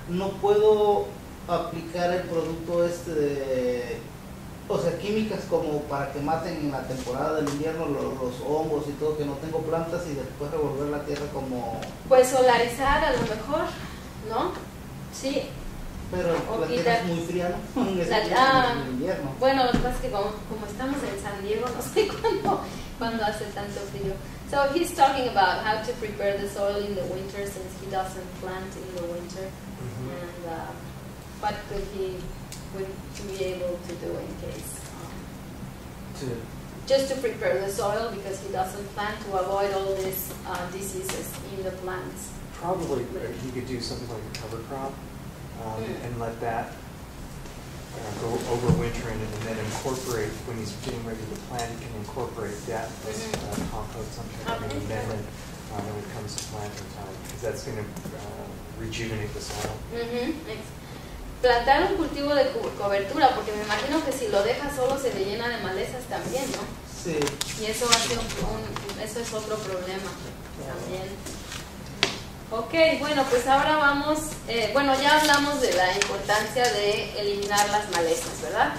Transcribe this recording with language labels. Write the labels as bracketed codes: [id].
[es] ¿No puedo aplicar el producto este de, o sea, químicas como para que maten en la temporada del invierno los hongos y todo, que no tengo plantas y después revolver la tierra como...? Pues solarizar a lo mejor, ¿no? Sí. Pero la tierra es muy fría, ¿no? En el invierno. Bueno, lo que pasa es que como estamos en San Diego, no sé cuándo hace tanto frío. [en] So he's talking about how to prepare the soil in the winter since he doesn't plant in the winter. Mm-hmm. And what could he would be able to do in case? Just to prepare the soil because he doesn't plant to avoid all these diseases in the plants. Probably he could do something like a cover crop. And let that go over wintering and then incorporate, when he's getting ready to plant, he can incorporate that as compost, some kind of amendment when it comes to planting time, because that's going to rejuvenate the soil. Mm-hmm. [es] Plantar un cultivo de cobertura, porque me imagino que si lo deja solo se le llena de malezas también, ¿no? Sí. Y eso va a ser eso es otro problema también. Ok, bueno, pues ahora vamos, bueno, ya hablamos de la importancia de eliminar las malezas, ¿verdad?